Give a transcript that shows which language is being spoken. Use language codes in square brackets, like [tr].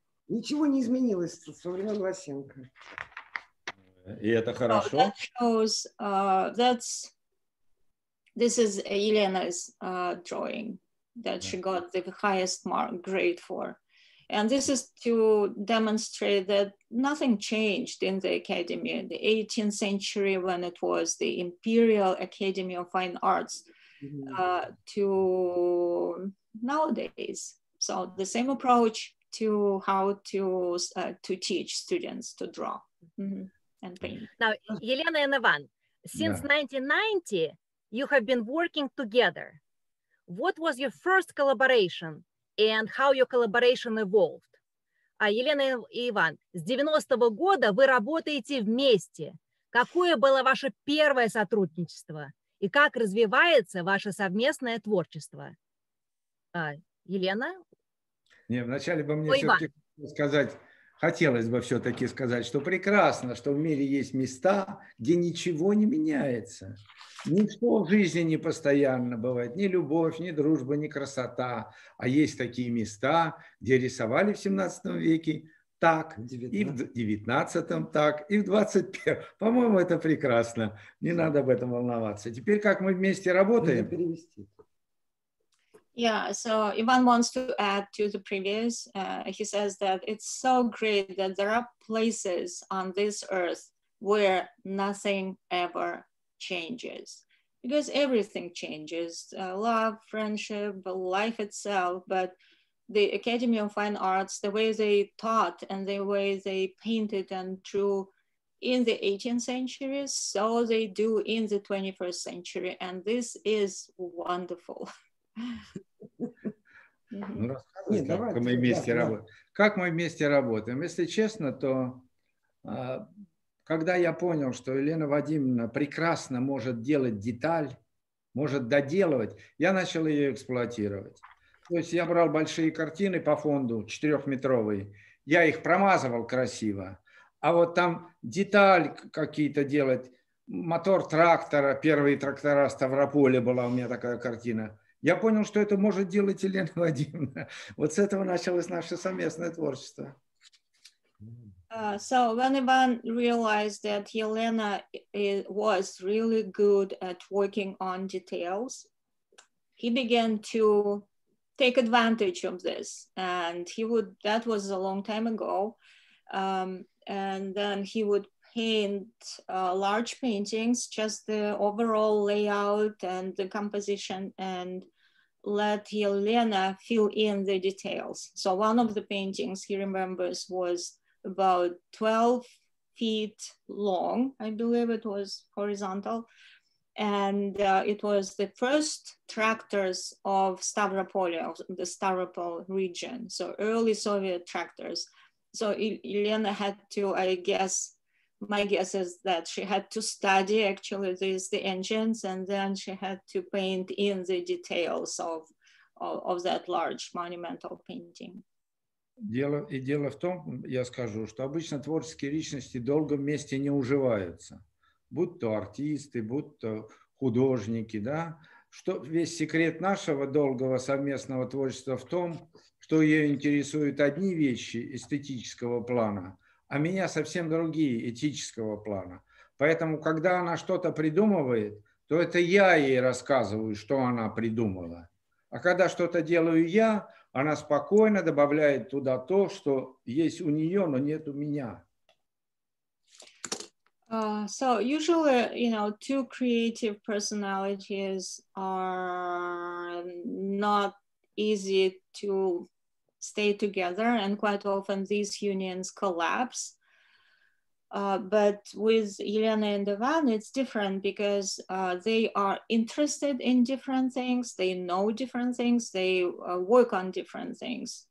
[ru] Ничего не изменилось со времен Лосенко. И это хорошо. [en] Oh, that shows, this is Elena's drawing that she got the highest mark grade for. And this is to demonstrate that nothing changed in the academy in the 18th century when it was the Imperial Academy of Fine Arts to nowadays. So the same approach to how to teach students to draw. Mm-hmm. Now, Yelena and Ivan, since 1990, you have been working together. What was your first collaboration and how your collaboration evolved? [ru] Елена и Иван, с 90-го года вы работаете вместе. Какое было ваше первое сотрудничество? И как развивается ваше совместное творчество? Елена? Не, вначале бы мне все-таки хотелось бы сказать, что прекрасно, что в мире есть места, где ничего не меняется. Ничто в жизни не постоянно бывает. Ни любовь, ни дружба, ни красота. А есть такие места, где рисовали в 17 веке так, 19. И в 19 так, и в 21. По-моему, это прекрасно. Не надо об этом волноваться. Теперь как мы вместе работаем? [en] Yeah, so Ivan wants to add to the previous. He says that it's so great that there are places on this earth where nothing ever changes, because everything changes, love, friendship, life itself. But the Academy of Fine Arts, the way they taught and the way they painted and drew in the 18th century, so they do in the 21st century. And this is wonderful. [ru] Ну, рассказывайте, как мы вместе работаем. Если честно, то когда я понял, что Елена Вадимовна прекрасно может делать деталь, может доделывать, я начал ее эксплуатировать. То есть я брал большие картины по фонду, 4-метровые, я их промазывал красиво, а вот там деталь какие-то делать, мотор трактора, первые трактора Ставрополя была у меня такая картина. Я понял, что это может делать Елена Вадимовна. Вот с этого началось наше совместное творчество. [en] So when Ivan realized that Елена was really good at working on details, he began to take advantage of this. And he would, that was a long time ago. And then he would paint large paintings, just the overall layout and the composition and let Елена fill in the details. So one of the paintings he remembers was about 12 feet long, I believe it was horizontal. And it was the first tractors of Stavropolia, of the Stavropol region, so early Soviet tractors. So Елена had to, I guess, my guess is that she had to study actually these the engines, and then she had to paint in the details of that large monumental painting. [ru] Дело в том, я скажу, что обычно творческие личности долго вместе не уживаются, будь то артисты, будь то художники, да. Что весь секрет нашего долгого совместного творчества в том, что ее интересуют одни вещи эстетического плана, а меня совсем другие этического плана. Поэтому, когда она что-то придумывает, то это я ей рассказываю, что она придумала. А когда что-то делаю я, она спокойно добавляет туда то, что есть у нее, но нет у меня. [en] So usually, you know, two creative personalities are not easy to stay together, and quite often these unions collapse. But with Elena and Ivan, it's different because they are interested in different things, they know different things, they work on different things.